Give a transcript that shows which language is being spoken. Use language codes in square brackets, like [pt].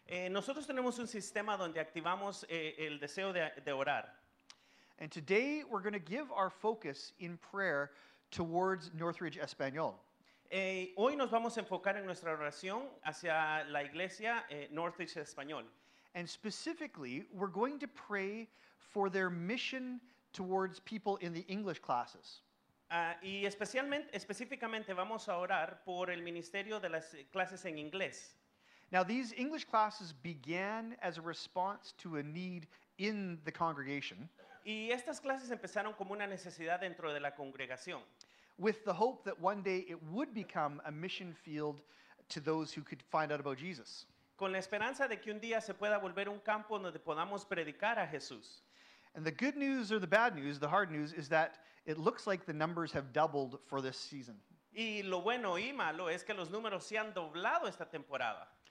[es] Nosotros tenemos un sistema donde activamos el deseo de orar. [en] And today we're going to give our focus in prayer towards Northridge Español. [es] Hoy nos vamos a enfocar en nuestra oración hacia la iglesia Northridge Español. [en] And specifically, we're going to pray for their mission towards people in the English classes. [es] Y específicamente vamos a orar por el ministerio de las clases en inglés. [en] Now, these English classes began as a response to a need in the congregation. [es] Y estas clases empezaron como una necesidad dentro de la congregación. [en] With the hope that one day it would become a mission field to those who could find out about Jesus. [es] Con la esperanza de que un día se pueda volver un campo donde podamos predicar a Jesús. [en] And the good news or the bad news, the hard news, is that it looks like the numbers have doubled for this season. [es] Y lo bueno y malo es que los números se han doblado esta temporada.